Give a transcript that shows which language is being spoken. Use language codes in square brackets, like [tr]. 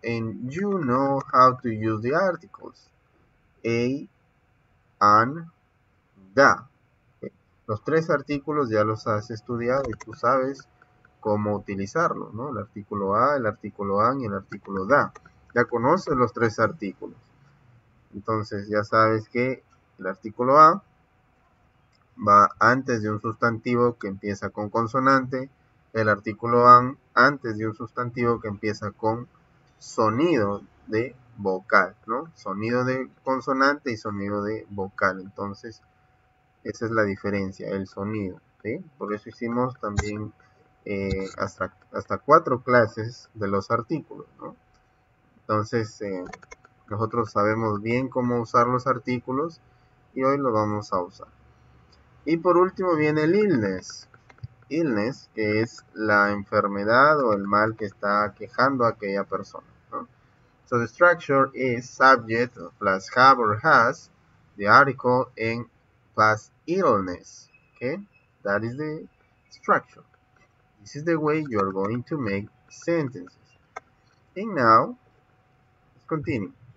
[en] And you know how to use the articles. A, an, da. [es] Los tres artículos ya los has estudiado y tú sabes cómo utilizarlos, ¿no? El artículo a, el artículo an y el artículo da. Ya conoces los tres artículos. Entonces ya sabes que el artículo A va antes de un sustantivo que empieza con consonante, el artículo AN antes de un sustantivo que empieza con sonido de vocal, ¿no? Sonido de consonante y sonido de vocal. Entonces, esa es la diferencia, el sonido, ¿sí? Por eso hicimos también hasta cuatro clases de los artículos, ¿no? Entonces, nosotros sabemos bien cómo usar los artículos y hoy lo vamos a usar. Y por último viene el illness. Illness, que es la enfermedad o el mal que está quejando a aquella persona, ¿no? [en] So the structure is subject plus have or has, the article and plus illness. Okay? That is the structure. This is the way you are going to make sentences. And now, let's continue.